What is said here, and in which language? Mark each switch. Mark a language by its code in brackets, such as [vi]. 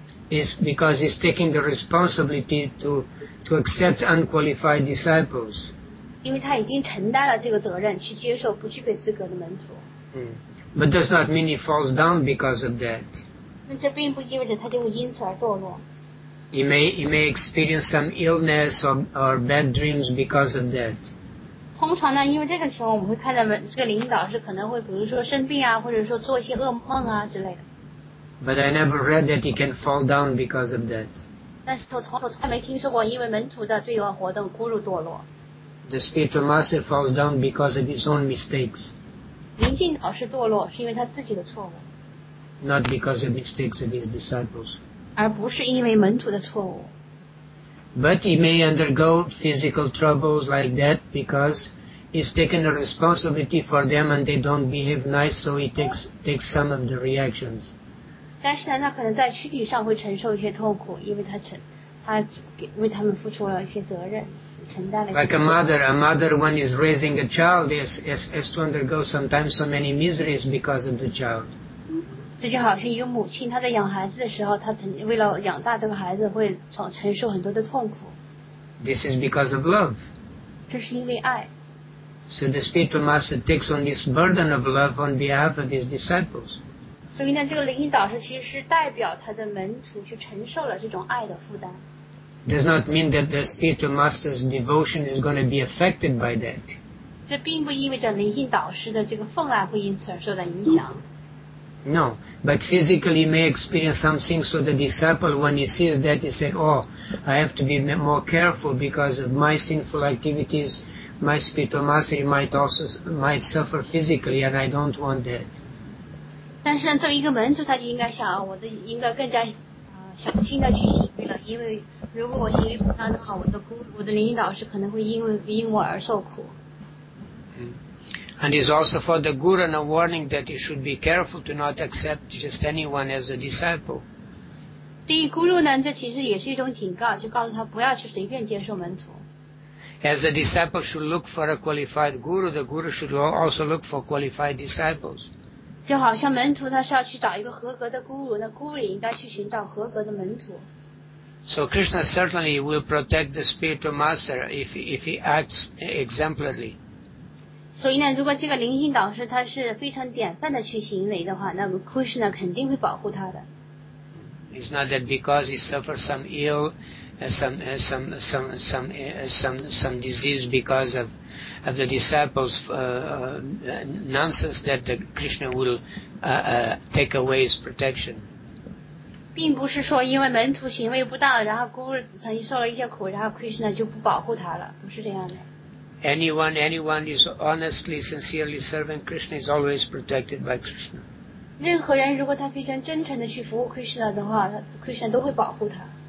[en] It's because he's taking the responsibility to accept unqualified disciples. [zh] 因为他已经承担了这个责任，去接受不具备资格的门徒。 [en] But does not mean he falls down because of that. [zh] 那这并不意味着他就会因此而堕落。 [en] He may experience some illness or bad dreams because of that. [zh] 通常呢，因为这个时候我们会看到这个灵性导师可能会，比如说生病啊，或者说做一些噩梦啊之类的。 [en] But I never read that he can fall down because of that. [zh] 但是我从来没听说过因为门徒的罪恶活动孤入堕落。 [en] The spiritual master falls down because of his own mistakes. [zh] 灵性导师堕落是因为他自己的错误， [en] not because of mistakes of his disciples， [zh] 而不是因为门徒的错误。 [en] But he may undergo physical troubles like that because he's taken a responsibility for them and they don't behave nice, so he takes some of the reactions. [zh] 但是呢，他可能在躯体上会承受一些痛苦，因为他为他们付出了一些责任。 [en] Like a mother when is raising a child has to undergo sometimes so many miseries because of the child. [zh] 这就好像一个母亲，她在养孩子的时候，她为了养大这个孩子，会承受很多的痛苦。 [en] This is because of love. [zh] 这是因为爱。 [en] So the spiritual master takes on this burden of love on behalf of his disciples. [zh] 所以呢，这个灵性导师其实是代表他的门徒去承受了这种爱的负担。 [en] Does not mean that the spiritual master's devotion is going to be affected by that. [zh] 这并不意味着灵性导师的这个奉爱会因此而受到影响。 [en] No, but physically may experience something, so the disciple, when he sees that, he says, "Oh, I have to be more careful because of my sinful activities. My spiritual master might suffer physically, and I don't want that." [zh] 但是作为一个门徒，他就应该想，我的应该更加小心的去行为了，因为。如果我行为不当的话，我的灵性导师可能会因我而受苦。 [en] And it's also for the guru a warning that he should be careful to not accept just anyone as a disciple. [zh] 对于guru呢，这其实也是一种警告，就告诉他不要去随便接受门徒。 [en] As a disciple should look for a qualified guru, the guru should also look for qualified disciples. [zh] 就好像门徒他是要去找一个合格的guru，那guru也应该去寻找合格的门徒。 [en] So Krishna certainly will protect the spiritual master if he acts exemplarily. [zh] 所以呢，如果这个灵性导师他是非常典范的去行为的话，那么 Krishna 肯定会保护他的。 [en] It's not that because he suffers some ill, some disease because of the disciples' nonsense that the Krishna will take away his protection. [zh] 并不是说因为门徒行为不当，然后孤儿曾经受了一些苦，然后 Krishna 就不保护他了，不是这样的。 [en] Anyone is honestly, sincerely serving Krishna is always protected by Krishna. [zh] 任何人如果他非常真诚的去服务 Krishna 的话， Krishna 都会保护他。